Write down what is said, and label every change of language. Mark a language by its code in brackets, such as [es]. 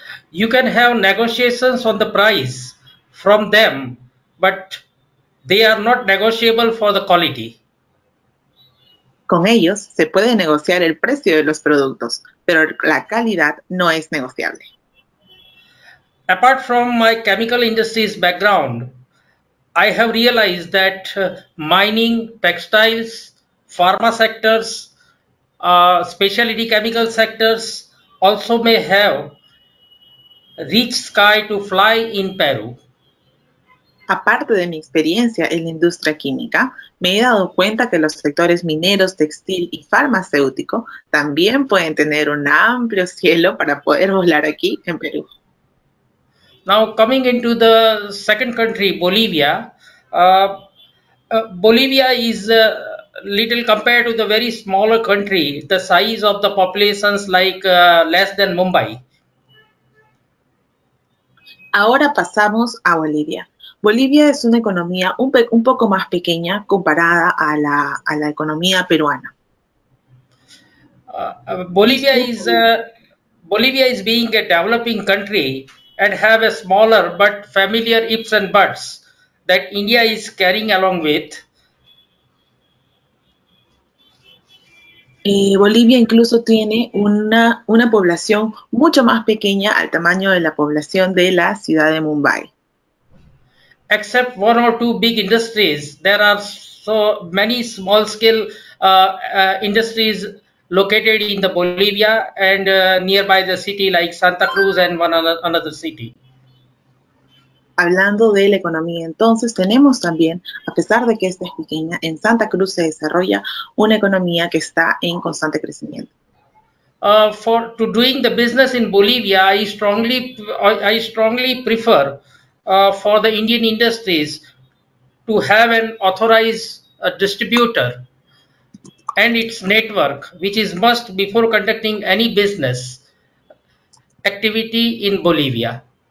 [en] You can have negotiations on the price from them, but they are not negotiable for the quality. [es] Con ellos se puede negociar el precio de los productos, pero la calidad no es negociable. [en] Apart from my chemical industry's background, I have realized that mining, textiles, pharma sectors, specialty chemical sectors also may have reached sky to fly in Peru. [es] Aparte de mi experiencia en la industria química, me he dado cuenta que los sectores mineros, textil y farmacéutico también pueden tener un amplio cielo para poder volar aquí en Perú. [en] Now coming into the second country, Bolivia. Bolivia is little compared to the very smaller country, the size of the populations like less than Mumbai. [es] Ahora pasamos a Bolivia. Bolivia es una economía un poco más pequeña comparada a la economía peruana. [en] Bolivia is being a developing country and have a smaller but familiar ifs and buts that India is carrying along with. [es] Y Bolivia incluso tiene una población mucho más pequeña al tamaño de la población de la ciudad de Mumbai. [en] Except one or two big industries, there are so many small scale industries located in the Bolivia and nearby the city like Santa Cruz and another city. [es] Hablando de la economía, entonces tenemos también, a pesar de que esta es pequeña, en Santa Cruz se desarrolla una economía que está en constante crecimiento. [en] For to doing the business in Bolivia, I strongly prefer for the Indian industries to have an authorized distributor and its network, which is must before conducting any business activity in Bolivia.